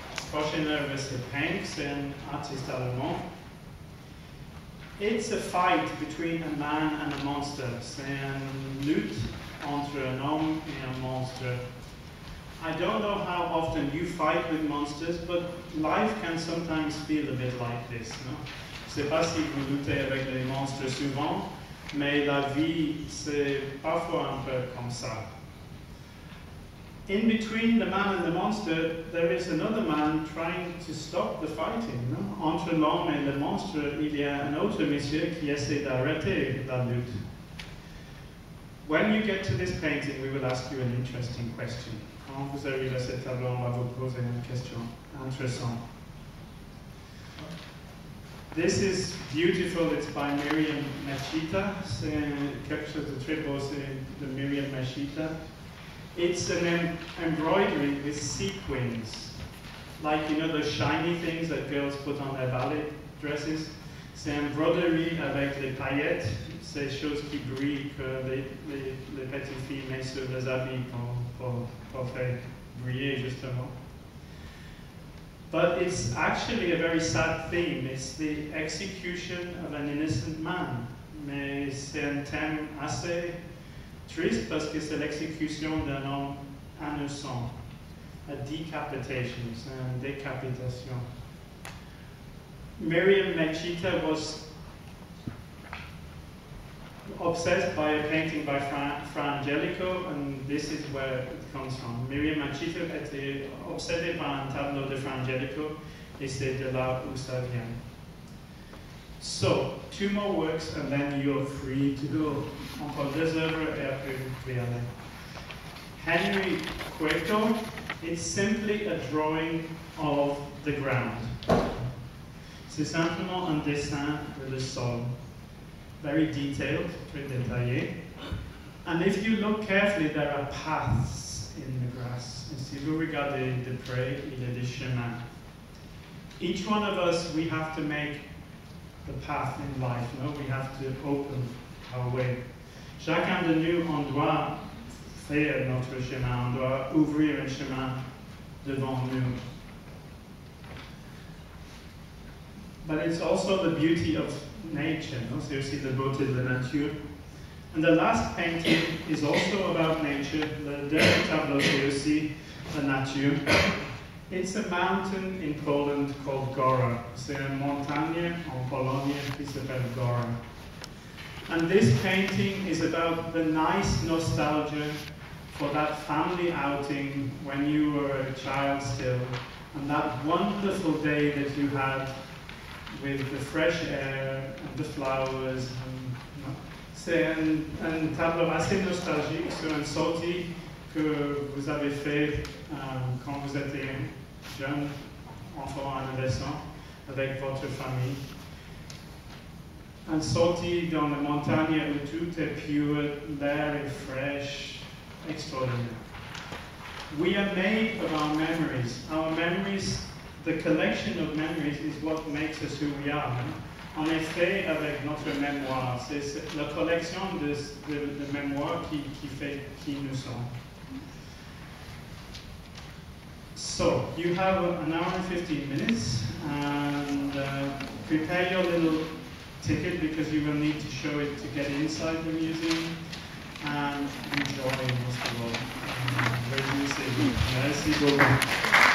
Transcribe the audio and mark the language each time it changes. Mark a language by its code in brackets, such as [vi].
[fr] Prochaine œuvre c'est Penck, c'est un artiste allemand. [en] It's a fight between a man and a monster. [fr] C'est une lutte entre un homme et un monstre. [en] I don't know how often you fight with monsters, but life can sometimes feel a bit like this. No? [fr] Je sais pas si vous luttez avec les monstres souvent, mais la vie c'est parfois un peu comme ça. [en] In between the man and the monster, there is another man trying to stop the fighting. No? [fr] Entre l'homme et le monstre, il y a un autre monsieur qui essaie d'arrêter la lutte. [en] When you get to this painting, we will ask you an interesting question. [fr] Quand vous arrivez à ce tableau, on va vous poser une question intéressante. [en] This is beautiful. It's by Miriam Machita. [fr] C'est quelque chose de très beau, c'est de Miriam Machita. [en] It's an embroidery with sequins, like you know the shiny things that girls put on their ballet dresses. [fr] C'est un broderie avec les paillettes, ces choses qui brillent que les petites filles mettent sur les habits pour faire briller justement. [en] But it's actually a very sad theme. It's the execution of an innocent man. [fr] Mais c'est un thème assez triste parce que c'est l'exécution d'un homme innocent. [en] A decapitation, [fr] c'est une décapitation. [en] Miriam Mechita was obsessed by a painting by Frangelico, and this is where it comes from. [fr] Miriam Mechita était obsédée par un tableau de Frangelico, et c'est de là où ça vient. [en] So, two more works, and then you're free to go. [fr] Encore deux œuvres, et après vous pouvez aller. [en] Henry Cueto, it's simply a drawing of the ground. [fr] C'est simplement un dessin de le sol. [en] Very detailed, [fr] très détaillé. [en] And if you look carefully, there are paths in the grass. [fr] Et si vous regardez de près, il y a des chemins. [en] Each one of us, we have to make the path in life, no? We have to open our way. [fr] Chacun de nous, on doit faire notre chemin, on doit ouvrir un chemin devant nous. [en] But it's also the beauty of nature, no? So you see the [fr] beauté de la nature. [en] And the last painting is also about nature, the [fr] dernier tableau, [en] so you see the nature. It's a mountain in Poland called Gora. [fr] C'est une montagne en Pologne qui s'appelle Gora. [en] And this painting is about the nice nostalgia for that family outing when you were a child still, and that wonderful day that you had with the fresh air and the flowers. [fr] C'est un tableau assez nostalgique sur un sorti que vous avez fait quand vous étiez jeune, enfant, adolescent, avec votre famille. Un sorti dans la montagne où tout est pur, l'air est fraîche, extraordinaire. [en] We are made of our memories. Our memories, the collection of memories is what makes us who we are. [fr] En effet, avec notre mémoire, c'est la collection de mémoire qui fait qui nous sommes. [en] So, you have an hour and 15 minutes, and prepare your little ticket because you will need to show it to get inside the museum, and enjoy most of all. [fr] Merci beaucoup.